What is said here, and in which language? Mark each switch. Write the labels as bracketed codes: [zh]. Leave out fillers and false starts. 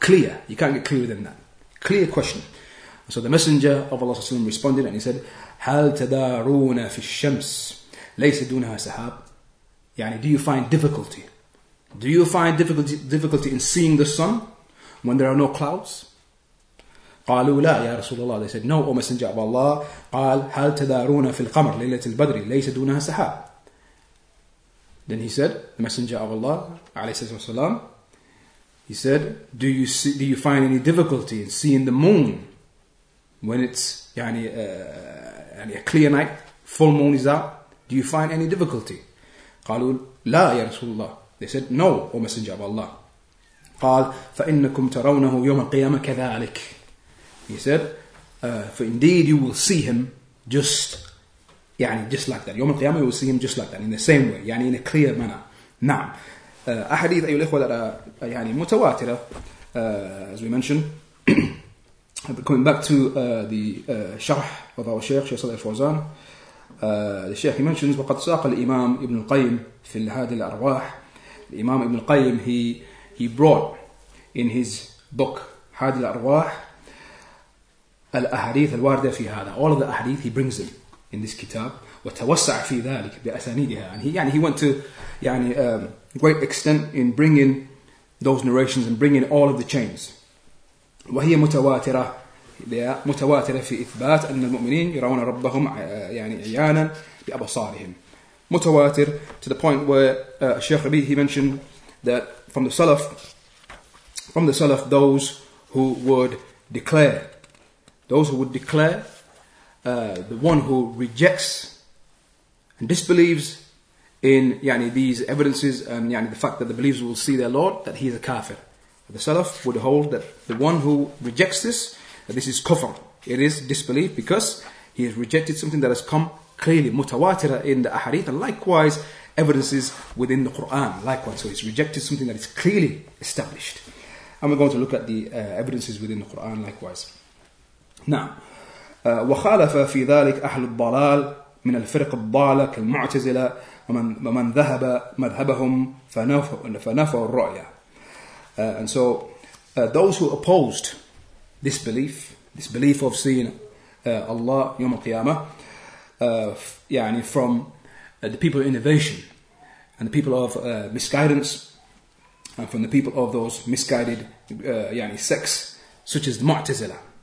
[en] Clear, you can't get clearer than that. Clear question. So the Messenger of Allah sallallahu alaihi wasallam responded and he said, [ar] "Hal tadaruna fi shams, laysa dunaha sahab." [en] Yani, do you find difficulty? Do you find difficulty in seeing the sun when there are no clouds? [ar] قالوا لا يا رسول الله. [en] They said, no, O Messenger of Allah. [ar] قال هل تدارون في القمر ليلة البدر ليس دونها سحاب. [en] Then he said, the Messenger of Allah عليه السلام, he said, do you find any difficulty in seeing the moon when it's a clear night, full moon is out? Do you find any difficulty? [ar] قالوا لا يا رسول الله. [en] They said, no, O Messenger of Allah. [ar] قال فإنكم ترونه يوم القيامة كذلك. [en] He said, for indeed you will see him just like that. Yawm al-Qiyamah, you will see him just like that, in the same way, yani in a clear manner. Na'am. Ahadith, ayyul ikhwa, that are yani mutawatira, as we mentioned. Coming back to the sharh of our Shaykh, Shaykh Salih al-Fawzan, the Shaykh, he mentions, [ar] وَقَدْ سَاقَ الْإِمَامِ إِبْنُ الْقَيْمِ فِي الْهَادِ الْأَرْوَاحِ. [en] Imam Ibn al-Qayyim, he brought in his book, هَادِ الْأَرْوَاحِ, [ar] الأحاديث الواردة في هذا. [en] All of the ahadith he brings them in this kitab. [ar] وتوسع في ذلك بأسانيدها. [en] And he went to great extent in bringing those narrations and bringing all of the chains. [ar] وهي متواترة. [en] They are [ar] متواترة في إثبات أن المؤمنين يرون ربهم عيانا بأبصارهم. [en] متواتر to the point where Sheikh Rabi, he mentioned that from the Salaf, those who would declare. Those who would declare, the one who rejects and disbelieves in these evidences and the fact that the believers will see their Lord, that he is a kafir. The Salaf would hold that the one who rejects this, that this is kufr. It is disbelief because he has rejected something that has come clearly mutawatira in the ahadith, and likewise evidences within the Quran. Likewise, so he's rejected something that is clearly established. And we're going to look at the evidences within the Quran likewise. [ar] نعم وخالف في ذلك أهل الضلال من الفرق الضالة كالمعتزلة ومن ذهب مذهبهم فنفوا الرؤية. [en] And so those who opposed this belief of seeing Allah يوم القيامة, from the people of innovation and the people of misguidance and from the people of those misguided sects such as the Mu'tazila.